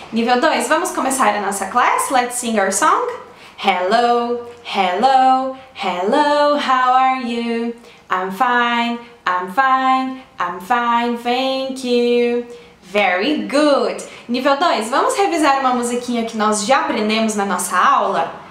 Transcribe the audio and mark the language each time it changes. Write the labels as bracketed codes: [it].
[pt] Nível 2, vamos começar a nossa class? [en] Let's sing our song! Hello, hello, hello, how are you? I'm fine, I'm fine, I'm fine, thank you! Very good! [pt] Nível 2, vamos revisar uma musiquinha que nós já aprendemos na nossa aula?